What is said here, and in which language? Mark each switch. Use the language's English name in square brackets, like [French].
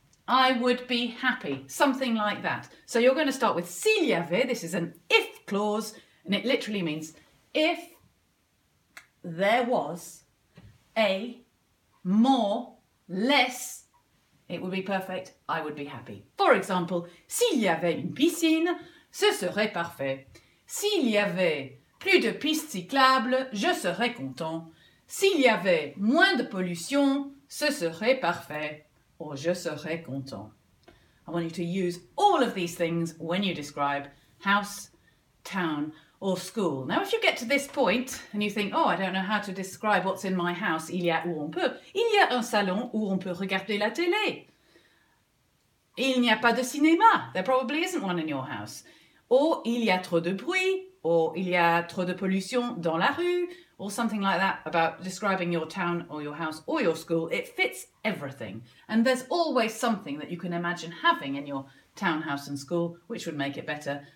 [English] I would be happy. Something like that. So you're going to start with [French] s'il y avait. [English] This is an if clause, and it literally means if there was a more, less, it would be perfect, I would be happy. For example, [French] s'il y avait une piscine, ce serait parfait. S'il y avait plus de pistes cyclables, je serais content. S'il y avait moins de pollution, ce serait parfait, or je serais content. [English] I want you to use all of these things when you describe house, town, or school. Now, if you get to this point and you think, oh, I don't know how to describe what's in my house, [French] il y a où on peut. Il y a un salon où on peut regarder la télé. Il n'y a pas de cinéma. [English] There probably isn't one in your house. Or [French] il y a trop de bruit. Or il y a trop de pollution dans la rue. [English] Or something like that about describing your town or your house or your school. It fits everything. And there's always something that you can imagine having in your townhouse and school, which would make it better.